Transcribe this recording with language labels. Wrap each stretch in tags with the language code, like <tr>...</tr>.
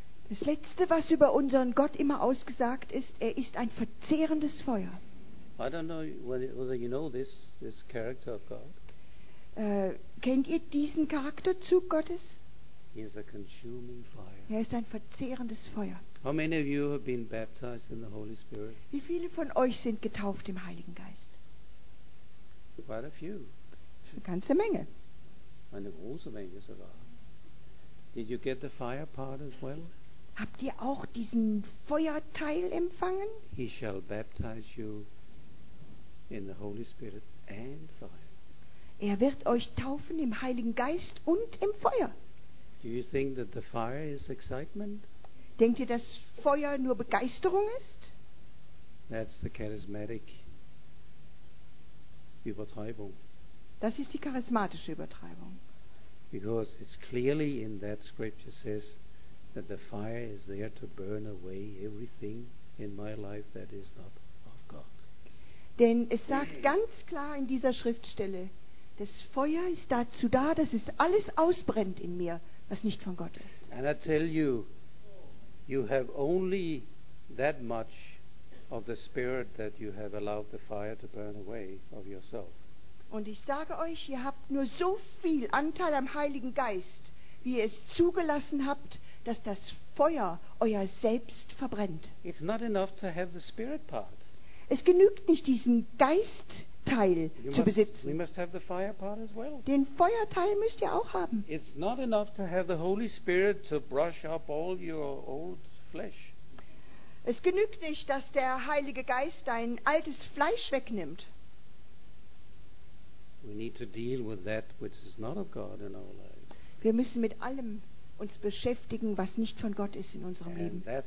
<de>Das letzte, was über unseren Gott immer ausgesagt ist, er ist ein verzehrendes Feuer.</de> <en>I don't know whether you know this character of God.</en> <de>Kennt ihr diesen Charakterzug Gottes?</de> <en>He is a consuming fire.</en> <de>Er ist ein verzehrendes Feuer.</de> <en>How many of you have been baptized in the Holy Spirit?</en> <de>Wie viele von euch sind getauft im Heiligen Geist?</de> <en>Quite a few.</en> <de>Eine ganze Menge. Eine große Menge sogar.</de> <en>Did you get the fire part as well?</en> <de>Habt ihr auch diesen Feuerteil empfangen?</de> <en>He shall baptize you in the Holy Spirit and fire.</en> <de>Er wird euch taufen im Heiligen Geist und im Feuer.</de> <en>Do you think that the fire is excitement?</en> <de>Denkt ihr, dass Feuer nur Begeisterung ist?</de> <en>That's the charismatic Übertreibung.</en> <de>Das ist die charismatische Übertreibung.</de> <en>Because it's clearly in that scripture says that the fire is there to burn away everything in my life that is not of God.</en> <de>Denn es sagt ganz klar in dieser Schriftstelle, das Feuer ist dazu da, dass es alles ausbrennt in mir, was nicht von Gott ist.</de> <en>And I tell you, you have only that much of the spirit that you have allowed the fire to burn away of yourself.</en> <de>Und ich sage euch, ihr habt nur so viel Anteil am Heiligen Geist, wie ihr es zugelassen habt, dass das Feuer euer Selbst verbrennt.</de> <en>It's not enough to have the spirit part.</en> <de>Es genügt nicht, diesen Geistteil zu besitzen.</de> <en>We must have the fire part as well.</en> <de>Den Feuerteil müsst ihr auch haben.</de> <en>It's not enough to have the Holy Spirit to brush up all your old flesh.</en> <de>Es genügt nicht, dass der Heilige Geist dein altes Fleisch wegnimmt.</de> <en>We need to deal with that which is not of God in our lives.</en> <de>Wir müssen mit allem uns beschäftigen, was nicht von Gott ist in unserem Leben.</de>